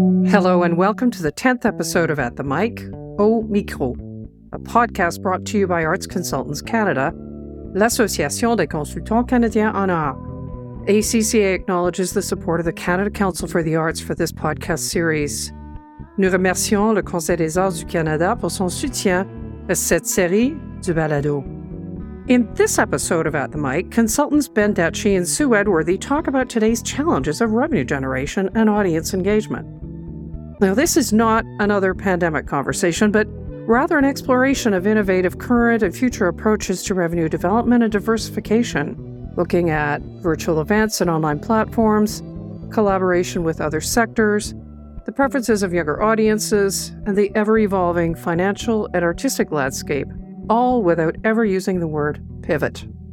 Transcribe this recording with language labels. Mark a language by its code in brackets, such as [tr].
[en] Hello and welcome to the 10th episode of At the Mic, Au Micro, a podcast brought to you by Arts Consultants Canada, l'Association des Consultants Canadiens en Art. ACCA acknowledges the support of the Canada Council for the Arts for this podcast series. [fr] Nous remercions le Conseil des Arts du Canada pour son soutien à cette série du balado. [en] In this episode of At the Mic, consultants Ben Detchy and Sue Edworthy talk about today's challenges of revenue generation and audience engagement. Now, this is not another pandemic conversation, but rather an exploration of innovative current and future approaches to revenue development and diversification, looking at virtual events and online platforms, collaboration with other sectors, the preferences of younger audiences, and the ever-evolving financial and artistic landscape, all without ever using the word pivot.